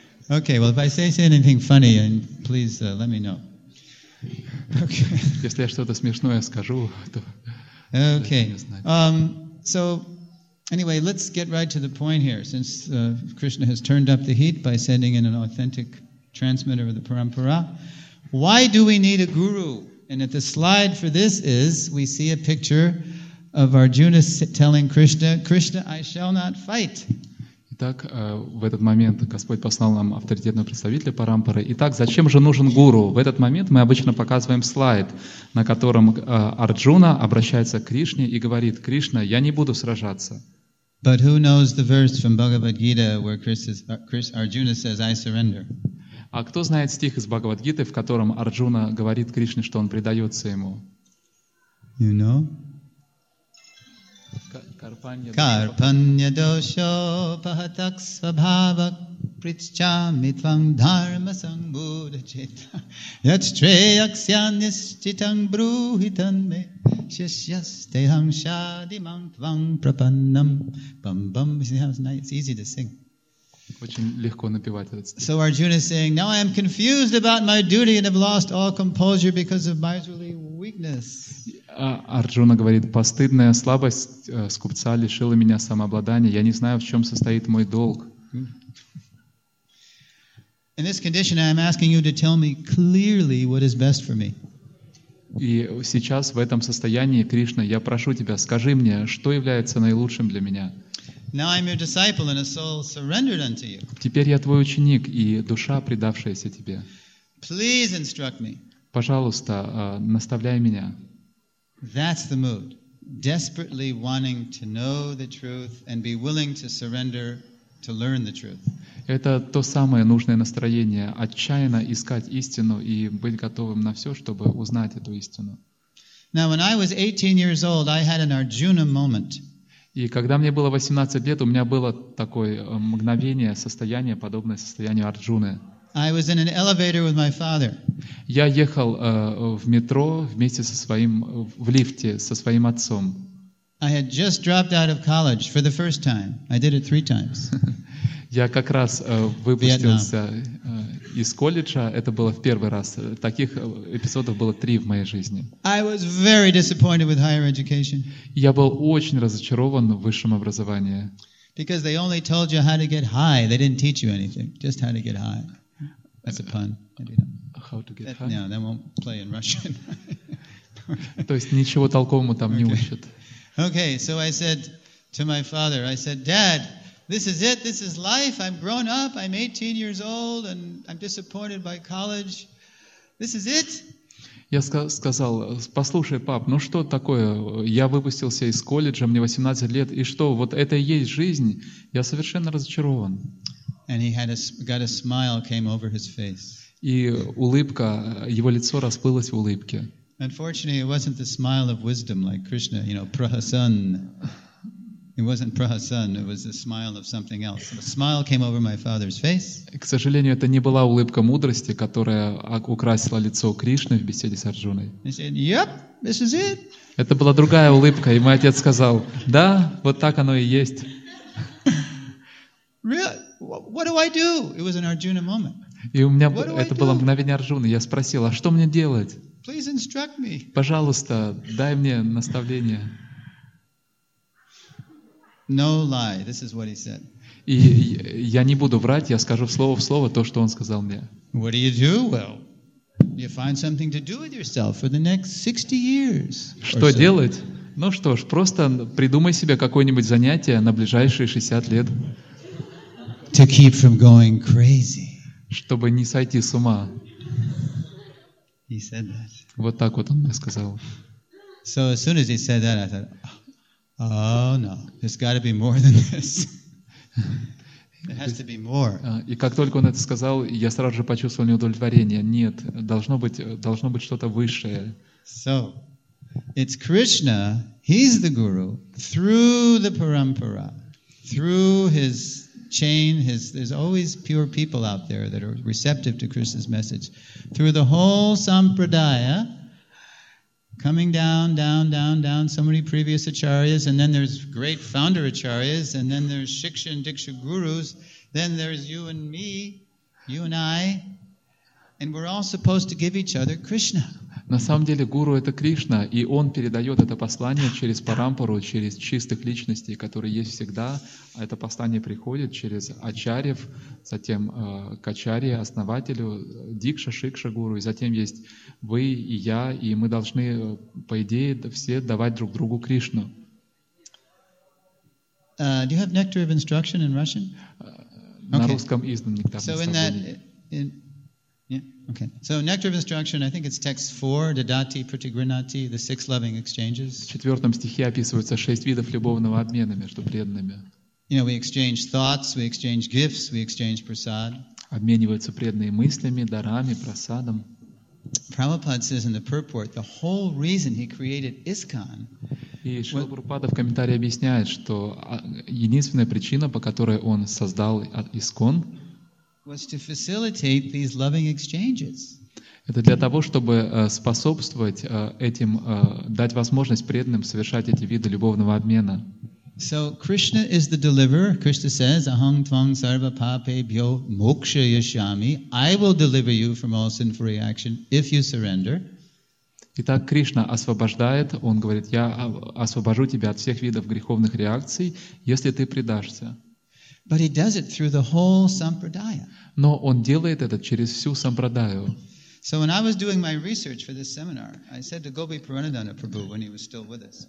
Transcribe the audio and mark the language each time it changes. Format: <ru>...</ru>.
<en>Okay, well, if I say anything funny, then please let me know. Okay.</en> <ru>Если я что-то смешное скажу, то...</ru> <en>Okay. So, anyway, let's get right to the point here, since Krishna has turned up the heat by sending in an authentic transmitter of the parampara. Why do we need a guru? And at the slide for this is, we see a picture of Arjuna telling Krishna, Krishna, I shall not fight.</en> <ru>Итак, в этот момент Господь послал нам авторитетного представителя парампары. Итак, зачем же нужен гуру? В этот момент мы обычно показываем слайд, на котором Арджуна обращается к Кришне и говорит, Кришна, я не буду сражаться.</ru> <en>But who knows the verse from Bhagavad-gita where Arjuna says, I surrender?</en> <ru>А кто знает стих из Бхагавад-гиты, в котором Арджуна говорит Кришне, что он предается ему?</ru> <en>You know?</en> <sa>Карпанья дошо пахатак свабхавак приччами твам дхарма сангбуддха чета яч треяксяннисчитам брухитанме шишьястеям шадимам твам прапаннам бам бам.</sa> <en>It's easy to sing.</en> <ru>Очень легко напевать этот стих.</ru> <en>So Arjuna is saying, now I am confused about my duty and have lost all composure because of miserly weakness.</en> <ru>Арджуна говорит, постыдная слабость скупца лишила меня самообладания. Я не знаю, в чем состоит мой долг.</ru> <en>In this condition, I am asking you to tell me clearly what is best for me.</en> <ru>И сейчас в этом состоянии, Кришна, я прошу тебя, скажи мне, что является наилучшим для меня.</ru> <en>Now I'm your disciple and a soul surrendered unto you.</en> <ru>Теперь я твой ученик и душа, предавшаяся тебе.</ru> <en>Please instruct me.</en> <ru>Пожалуйста, наставляй меня.</ru> <en>That's the mood. Desperately wanting to know the truth and be willing to surrender to learn the truth.</en> <ru>Это то самое нужное настроение, отчаянно искать истину и быть готовым на все, чтобы узнать эту истину.</ru> <en>Now when I was 18 years old, I had an Arjuna moment.</en> <ru>И когда мне было 18 лет, у меня было такое мгновение, состояние, подобное состоянию Арджуны.</ru> <en>I was in an elevator with my father.</en> <ru>Я ехал в метро вместе со своим, в лифте со своим отцом.</ru> <en>I had just dropped out of college for the first time. I did it three times.</en> <ru>Я как раз выпустился из колледжа. Это было в первый раз. Таких эпизодов было три в моей жизни.</ru> <en>I was very disappointed with higher education.</en> <ru>Я был очень разочарован в высшем образовании.</ru> <en>Because they only told you how to get high. They didn't teach you anything. Just how to get high. That's a pun. How to get that, high? No, that won't play in Russian.</en> <ru>То есть ничего толкового там не учат.</ru> <en>Okay, so I said to my father, I said, Dad, this is it, this is life, I'm grown up, I'm 18 years old, and I'm disappointed by college. This is it?</en> <ru>Я сказал, послушай, пап, ну что такое, я выпустился из колледжа, мне 18 лет, и что, вот это и есть жизнь, я совершенно разочарован.</ru> <en>And he had got a smile came over his face.</en> <ru>И улыбка, его лицо расплылось в улыбке.</ru> <en>Unfortunately, it wasn't the smile of wisdom like Krishna, you know, Prahasan. It wasn't Prahasan, it was the smile of something else. A smile came over my father's face.</en> <ru>К сожалению, это не была улыбка мудрости, которая украсила лицо Кришны в беседе с Арджуной.</ru> <en>He said, yep, this is it.</en> <ru>Это была другая улыбка, и мой отец сказал, да, вот так оно и есть.</ru> <en>Really? what do I do? It was an Arjuna moment.</en> <ru>И у меня это было мгновение Арджуны. Я спросил, а что мне делать?</ru> <en>Please instruct me.</en> <ru>Пожалуйста, дай мне наставление.</ru> <en>No lie. This is what he said.</en> <ru>И я не буду врать, я скажу слово в слово то, что он сказал мне.</ru> <en>What do you do? Well, you find something to do with yourself for the next 60 years.</en> <ru>Что делать? Ну что ж, просто придумай себе какое-нибудь занятие на ближайшие 60 лет.</ru> <en>To keep from going crazy.</en> <ru>Чтобы не сойти с ума.</ru> <en>He said that.</en> <ru>Вот так вот он мне сказал.</ru> <en>So as soon as he said that, I thought, oh no, there's got to be more than this. There has to be more.</en> <ru>И как только он это сказал, я сразу же почувствовал неудовлетворение. Нет, должно быть что-то высшее.</ru> <en>So, it's Krishna, he's the guru, through the parampara, through his chain, there's always pure people out there that are receptive to Krishna's message. Through the whole sampradaya, coming down, down, down, down, so many previous acharyas, and then there's great founder acharyas, and then there's shiksha and diksha gurus, then there's you and me, you and I, and we're all supposed to give each other Krishna.</en> <ru>На самом деле гуру — это Кришна, и он передает это послание через парампару, через чистых личностей, которые есть всегда. Это послание приходит через ачарьев, затем к ачарье, основателю, дикша, шикша, гуру, и затем есть вы и я, и мы должны, по идее, все давать друг другу Кришну.</ru> <en>Do you have nectar of instruction in Russian?</en> <ru>На русском издан нектар наставления.</ru> <en>Yeah. Okay. So, nectar of instruction. I think it's text 4, Dadati Pratigrinati, the six loving exchanges.</en> <ru>В четвертом стихе описываются шесть видов любовного обмена между преданными.</ru> <en>You know, we exchange thoughts, we exchange gifts, we exchange prasad.</en> <ru>Обмениваются преданные мыслями, дарами, прасадом.</ru> <en>Prabhupada says in the purport the whole reason he created ISKCON.</en> <ru>И Шрила Прабхупада в комментарии объясняет, что единственная причина, по которой он создал ISKCON.</ru> <en>Was to facilitate these loving exchanges.</en> <ru>Это для того, чтобы способствовать этим, дать возможность преданным совершать эти виды любовного обмена.</ru> <en>So Krishna is the deliverer. Krishna says,</en> <sa>"Aham tvam sarva pape bhyo moksha yashami."</sa> <en>I will deliver you from all sinful reaction if you surrender.</en> <ru>Итак, Кришна освобождает. Он говорит: "Я освобожу тебя от всех видов греховных реакций, если ты предашься."</ru> <en>But he does it through the whole sampradaya.</en> <ru>Но он делает это через всю сампрадаю.</ru> <en>So when I was doing my research for this seminar, I said to Gopi Puranadana Prabhu when he was still with us.</en>